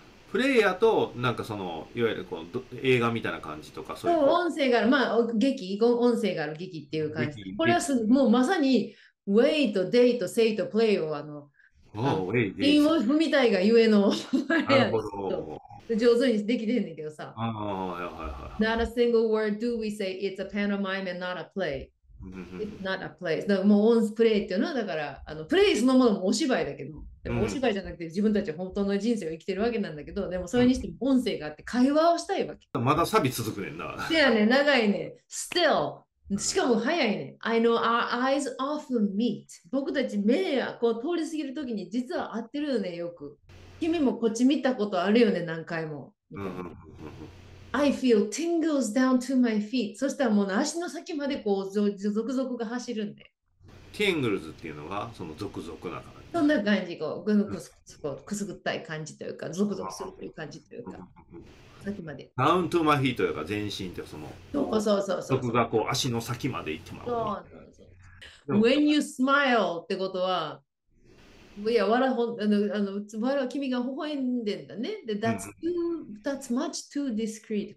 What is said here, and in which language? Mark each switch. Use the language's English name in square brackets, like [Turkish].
[Japanese] プレイヤーと、なんかいわゆるこう映画みたいな感じとか、そういうそう、こ音声がある、まあ、音声がある劇っていうう。感じ。これはもうまさに、wait, date, say と play を、おお、ええ、ええ、韻を踏みたいがゆえの、あなるれやほど。上手にできてんねんけどさ。は [English] Not a single word do we say, it's a pantomime and not a play。 It's not a place. [Japanese] だからもうオンスプレイっていうのは、だから、プレイそのものもお芝居だけど、でもお芝居じゃなくて自分たち本当の人生を生きてるわけなんだけど、でもそれにしても音声があって会話をしたいわけ。まだサビ続くねんな。せやね、長いね。 Still、しかも早いね。 [English] I know our eyes often meet. [Japanese] 僕たち目がこう通り過ぎるときに実は合ってるよね、よく。君もこっち見たことあるよね、何回も。みたいな。 [English] I feel tingles down to my feet. [Japanese] そしたらもう足の先までこう、続々が走るんで。ティングルズっていうのがその続々な感そんな感じ、こう、ぐぬくすくすぐったい感じというか、ゾクゾクするという感じというか、先まで。ダウントゥーマヒートやから全身ってそのそう。僕がこう足の先まで行ってまうみたいな。 [English] When you smile [Japanese] ってことは、いや、笑ほ、つまりは君が微笑んでんだね。 [English] で、that's much too discreet。